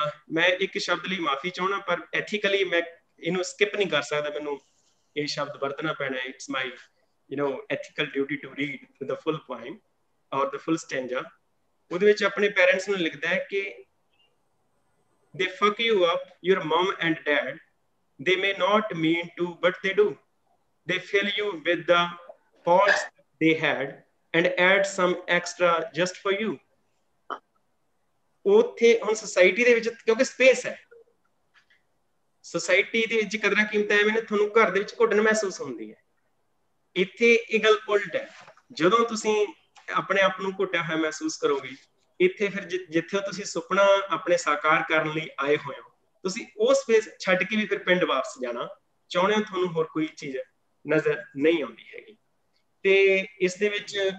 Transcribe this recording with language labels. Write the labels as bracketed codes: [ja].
[pa] ਮੈਂ ਇੱਕ ਸ਼ਬਦ ਲਈ ਮਾਫੀ ਚਾਹੁੰਦਾ ਪਰ ਐਥੀਕਲੀ ਮੈਂ ਇਹਨੂੰ ਸਕਿਪ ਨਹੀਂ ਕਰ ਸਕਦਾ ਮੈਨੂੰ ਇਹ ਸ਼ਬਦ ਵਰਤਣਾ ਪੈਣਾ [en] it's my you know ethical duty to read the full poem or the full stanza [pa] ਉਹਦੇ ਵਿੱਚ ਆਪਣੇ ਪੇਰੈਂਟਸ ਨੂੰ ਲਿਖਦਾ ਹੈ ਕਿ [en] They fuck you up, your mom and dad. They may not mean to, but they do. They fill you with the faults they had and add some extra just for you. [pa] ਉੱਥੇ ਹੁਣ society ਦੇ ਵਿੱਚ ਕਿਉਂਕਿ space ਹੈ society ਦੇ ਵਿੱਚ ਕਦਰਾਂ ਕੀਮਤਾਂ ਐਵੇਂ ਨੇ ਤੁਹਾਨੂੰ ਘਰ ਦੇ ਵਿੱਚ ਘੁੱਟਣ ਮਹਿਸੂਸ ਹੁੰਦੀ ਹੈ ਇੱਥੇ ਇਹ ਗੱਲ ਉਲਟ ਹੈ ਜਦੋਂ ਤੁਸੀਂ ਆਪਣੇ ਆਪ ਨੂੰ ਘੁੱਟਿਆ ਹੋਇਆ ਮਹਿਸੂਸ ਕਰੋਗੇ ਇੱਥੇ ਫਿਰ ਜਿੱਥੇ ਤੁਸੀਂ ਸੁਪਨਾ ਆਪਣੇ ਸਾਕਾਰ ਕਰਨ ਲਈ ਆਏ ਹੋਏ ਹੋ ਤੁਸੀਂ ਉਹ ਸਪੇਸ ਛੱਡ ਕੇ ਵੀ ਫਿਰ ਪਿੰਡ ਵਾਪਸ ਜਾਣਾ ਚਾਹੁੰਦੇ ਹੋ ਤੁਹਾਨੂੰ ਹੋਰ ਕੋਈ ਚੀਜ਼ ਨਜ਼ਰ ਨਹੀਂ ਆਉਂਦੀ ਹੈਗੀ ਤੇ ਇਸ ਦੇ ਵਿੱਚ